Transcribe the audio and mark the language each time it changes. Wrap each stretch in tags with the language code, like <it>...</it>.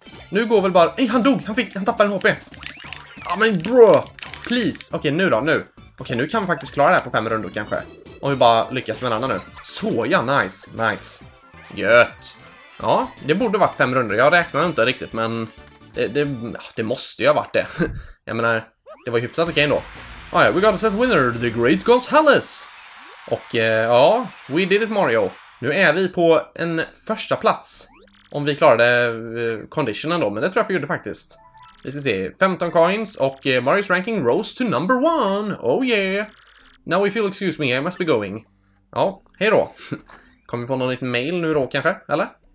<sv>Nu går väl bara... Nej, han dog! Han tappade en HP! Ja, men bro!</sv> <en>Please!</en> <sv>Okej, okay, nu då, nu. Okej, okay, nu kan vi faktiskt klara det här på 5 runder, kanske. Om vi bara lyckas med en annan nu. Så ja, nice, nice. Gött. Ja, det borde varit 5 runder. Jag räknar inte riktigt, men... Det måste ju ha varit det. Jag menar, det var ju hyfsat okej ändå.</sv> <en>Ah, yeah, we got a set winner, the Great Gonzales.</en> <sv>Och ja,</sv> <en>we did it Mario.</en> <sv>Nu är vi på en första plats. Om vi klarade conditionen då, men det tror jag vi gjorde faktiskt. Vi ska se,</sv> <en>15 coins och Mario's ranking rose to number 1. Oh yeah. Now if you'll excuse me, I must be going.</en> <sv>Ja, hej då. Kommer vi få någon nytt mail nu då kanske, eller?</sv>